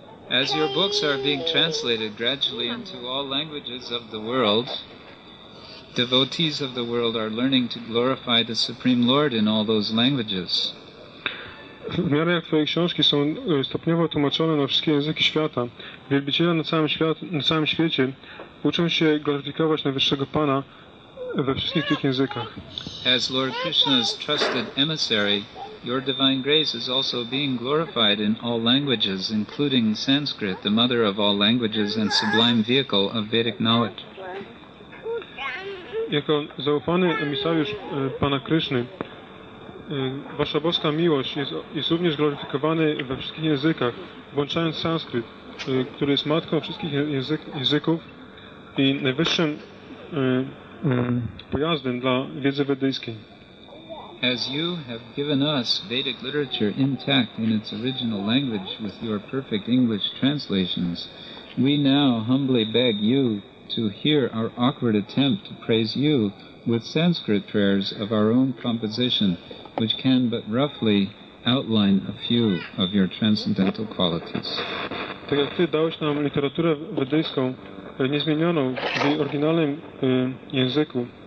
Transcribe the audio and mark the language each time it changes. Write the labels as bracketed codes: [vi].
[en] As your books are being translated gradually into all languages of the world, devotees of the world are learning to glorify the Supreme Lord in all those languages. [pl] W miarę jak Twoje książki są stopniowo tłumaczone na wszystkie języki świata, wielbiciele na całym świecie uczą się gloryfikować Najwyższego Pana we wszystkich tych językach. [en] As Lord Krishna's trusted emissary, your divine grace is also being glorified in all languages, including Sanskrit, the mother of all languages and sublime vehicle of Vedic knowledge. [pl] Jako zaufany emisariusz Pana Kryszny, Wasza boska miłość jest również gloryfikowany we wszystkich językach, włączając Sanskryt, który jest matką wszystkich języków i najwyższym pojazdem dla wiedzy wedyjskiej. [en] As you have given us Vedic literature intact in its original language with your perfect English translations, we now humbly beg you to hear our awkward attempt to praise you with Sanskrit prayers of our own composition, which can but roughly outline a few of your transcendental qualities. [pl] Tak jak Ty dałeś nam literaturę wedyjską, niezmienioną w jej oryginalnym języku,